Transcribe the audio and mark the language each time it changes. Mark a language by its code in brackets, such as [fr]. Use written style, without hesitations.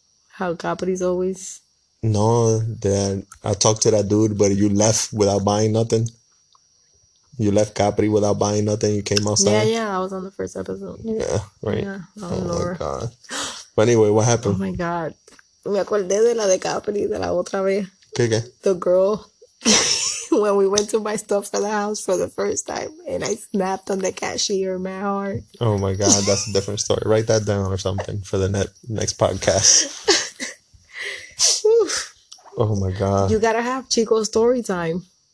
[en] How Capri's always. No, then I talked to that dude, but you left without buying nothing. You left Capri without buying nothing. You came outside. Yeah, I was on the first episode. Yeah, right. Yeah. Oh my God. But anyway, what happened? Oh my God. [es] Me acordé de la de Capri, de la otra vez. ¿Qué? [en] The girl. When we went to buy stuff for the house for the first time, and I snapped on the cashier, my heart. Oh my God, that's a different story. Write that down or something for the next podcast. Oh my god. You gotta have Chico story time.